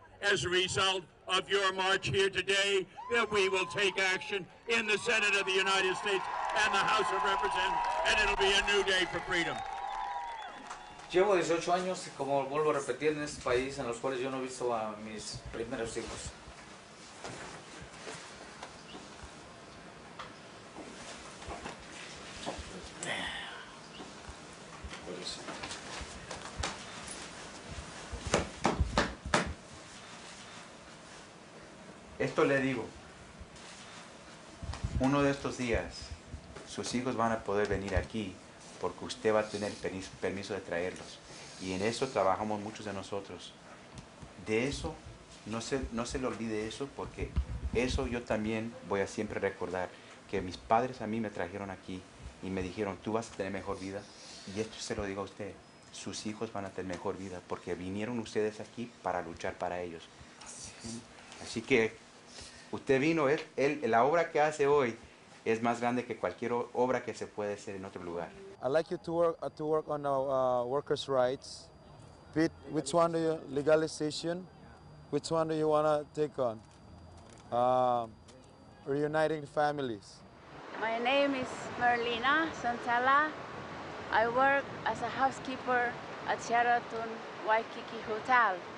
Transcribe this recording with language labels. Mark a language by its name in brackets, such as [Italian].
[English] As a result of your march here today, that we will take action in the Senate of the United States and the House of Representatives, and it'll be a new day for freedom. [Spanish] Llevo 18 años y como vuelvo a repetir en este país en los cuales yo no he visto a mis primeros hijos. [English] Damn. [Spanish] Esto le digo. Uno de estos días, sus hijos van a poder venir aquí porque usted va a tener permiso de traerlos. Y en eso trabajamos muchos de nosotros. De eso, no se le olvide eso, porque eso yo también voy a siempre recordar, que mis padres a mí me trajeron aquí y me dijeron, tú vas a tener mejor vida. Y esto se lo digo a usted, sus hijos van a tener mejor vida porque vinieron ustedes aquí para luchar para ellos. Así que usted vino, la obra que hace hoy es más grande que cualquier obra que se puede hacer en otro lugar. [English] I'd like you to work on our workers' rights. Pete, which one do you, legalization? Which one do you want to take on? Reuniting families. My name is Merlina Santala. I work as a housekeeper at Sheraton Waikiki Hotel.